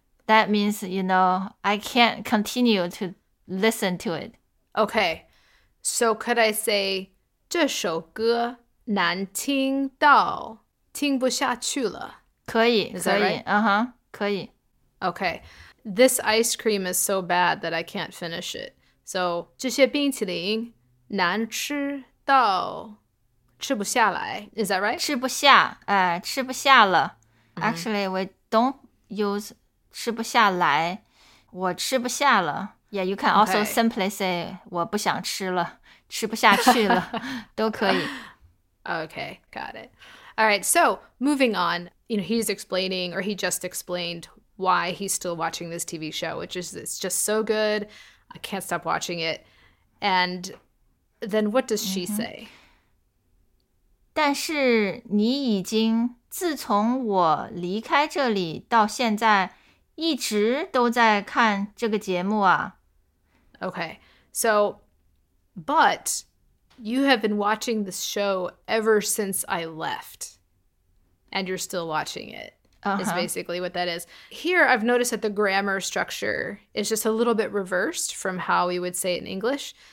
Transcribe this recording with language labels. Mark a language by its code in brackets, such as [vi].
[en] That means, you know, I can't continue to listen to it. Okay. So could I say, [zh] 这首歌难听到听不下去了。可以。 [en] Is that right? [zh] Uh-huh. 可以。 [en] Okay. This ice cream is so bad that I can't finish it. [zh] So, 这些冰淇淋难吃到吃不下来。 [en] Is that right? [zh] 吃不下，吃不下了。 [en] Actually, we don't use [zh] 吃不下来。我吃不下了。 [en] Yeah, you can also simply say [zh] 我不想吃了，吃不下去了，都可以。 [en] Okay, got it. All right, so moving on. You know, he's explaining, or he just explained,why he's still watching this TV show, which is, it's just so good. I can't stop watching it. And then what does she say? [zh] 但是你已经自从我离开这里到现在一直都在看这个节目啊。 [en] Okay, so, but you have been watching this show ever since I left and you're still watching it. Is basically what that is. Here, I've noticed that the grammar structure is just a little bit reversed from how we would say it in English.